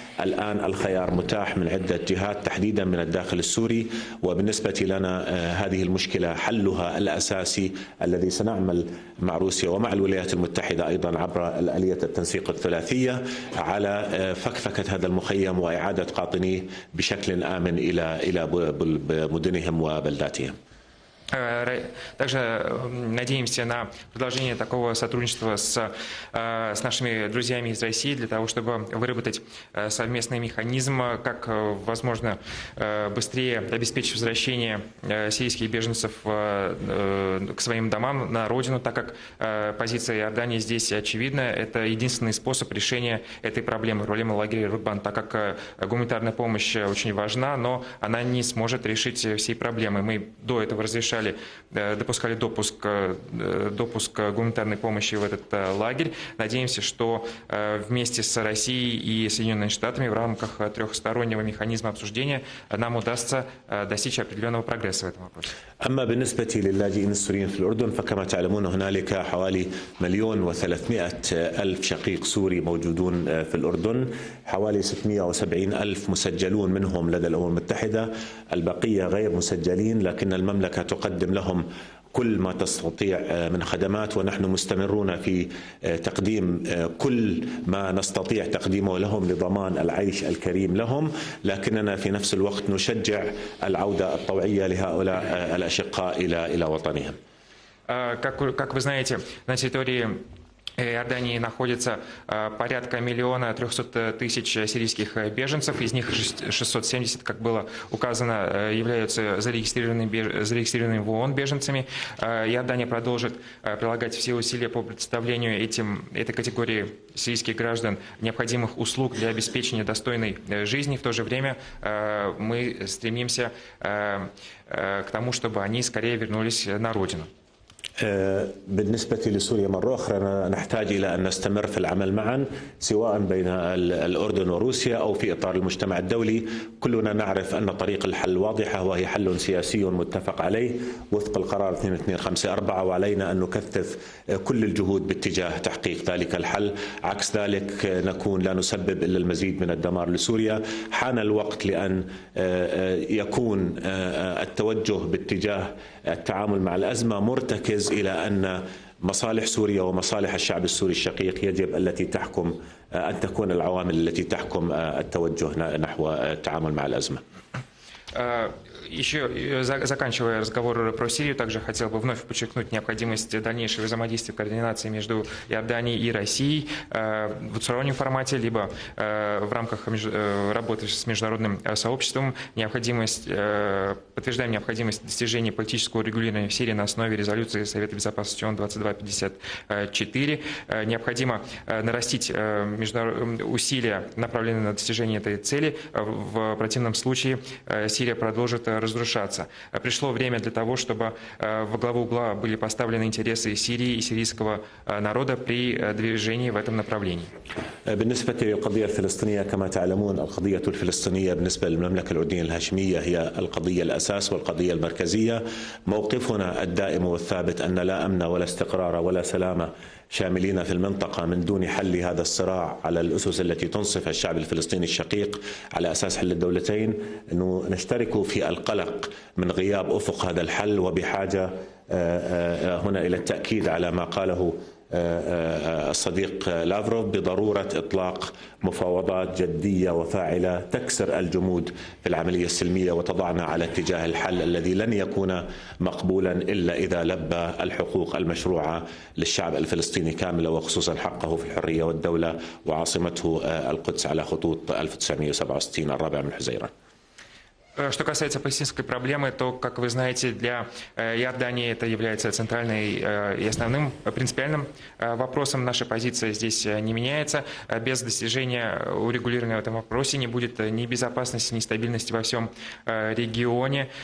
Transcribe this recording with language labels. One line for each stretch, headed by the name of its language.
Arabic: الآن الخيار متاح من عدة جهات تحديدا من الداخل السوري وبالنسبة لنا هذه المشكلة حلها الأساسي الذي سنعمل مع روسيا ومع الولايات المتحدة أيضا عبر آلية التنسيق الثلاثية على فكفكة هذا المخيم وإعادة قاطنيه بشكل آمن إلى مدنهم وبلداتهم.
Russian: Также надеемся на продолжение такого сотрудничества с нашими друзьями из России для того, чтобы выработать совместный механизм, как возможно быстрее обеспечить возвращение сирийских беженцев к своим домам, на родину, так как позиция Иордании здесь очевидна. Это единственный способ решения этой проблемы, проблемы лагеря Рукбан, так как гуманитарная помощь очень важна, но она не сможет решить все проблемы. Мы до этого разрешали, допускали допуск гуманитарной помощи в этот лагерь. Надеемся, что вместе с Россией и Соединенными Штатами в рамках трехстороннего механизма обсуждения нам удастся достичь определенного прогресса в этом вопросе.
Arabic: أما بالنسبة للاجئين السوريين في الأردن فكما تعلمون هنالك حوالي 1,300,000 شقيق سوري موجودون في الأردن حوالي 670,000 مسجلون منهم لدى الأمم المتحدة البقية غير مسجلين لكن المملكة تقدم لهم كل ما تستطيع من خدمات ونحن مستمرون في تقديم كل ما نستطيع تقديمه لهم لضمان العيش الكريم لهم لكننا في نفس الوقت نشجع العودة الطوعية لهؤلاء الأشقاء إلى وطنهم.
Russian: как вы знаете, на территории Иордании находится порядка 1 300 000 сирийских беженцев. Из них 670, как было указано, являются зарегистрированными в ООН беженцами. Иордания продолжит прилагать все усилия по предоставлению этой категории сирийских граждан необходимых услуг для обеспечения достойной жизни. В то же время мы стремимся к тому, чтобы они скорее вернулись на родину.
Arabic: بالنسبة لسوريا مرة أخرى نحتاج إلى أن نستمر في العمل معا سواء بين الأردن وروسيا أو في إطار المجتمع الدولي كلنا نعرف أن طريق الحل واضحة وهي حل سياسي متفق عليه وفق القرار 2254 وعلينا أن نكثف كل الجهود باتجاه تحقيق ذلك الحل عكس ذلك نكون لا نسبب إلا المزيد من الدمار لسوريا حان الوقت لأن يكون التوجه باتجاه التعامل مع الأزمة مرتكز إلى أن مصالح سوريا ومصالح الشعب السوري الشقيق يجب التي تحكم أن تكون العوامل التي تحكم التوجه نحو التعامل مع الأزمة.
Russian: Еще заканчивая разговор про Сирию, также хотел бы вновь подчеркнуть необходимость дальнейшего взаимодействия, координации между Иорданией и Россией в двустороннем формате, либо в рамках работы с международным сообществом. Подтверждаем необходимость достижения политического регулирования в Сирии на основе резолюции Совета Безопасности ООН 2254. Необходимо нарастить усилия, направленные на достижение этой цели. В противном случае Сирия продолжит разрушаться. Пришло время для того, чтобы во главу угла были поставлены интересы Сирии и сирийского народа при движении в этом направлении.
Arabic: بالنسبة للقضية الفلسطينية كما تعلمون القضية الفلسطينية بالنسبة للمملكة الأردنية الهاشمية هي القضية الأساس والقضية المركزية موقفنا الدائم والثابت أن لا أمن ولا استقرار ولا سلامة شاملين في المنطقة من دون حل هذا الصراع على الأسس التي تنصف الشعب الفلسطيني الشقيق على أساس حل الدولتين أنه نشترك في القلق من غياب أفق هذا الحل وبحاجة هنا إلى التأكيد على ما قاله الصديق لافروف بضرورة إطلاق مفاوضات جدية وفاعلة تكسر الجمود في العملية السلمية وتضعنا على اتجاه الحل الذي لن يكون مقبولا إلا إذا لبى الحقوق المشروعة للشعب الفلسطيني كاملة وخصوصا حقه في الحرية والدولة وعاصمته القدس على خطوط 1967 الرابع من حزيران.
Russian: Что касается палестинской проблемы, то, как вы знаете, для Иордании это является центральным и основным принципиальным вопросом. Наша позиция здесь не меняется. Без достижения урегулирования в этом вопросе не будет ни безопасности, ни стабильности во всем регионе.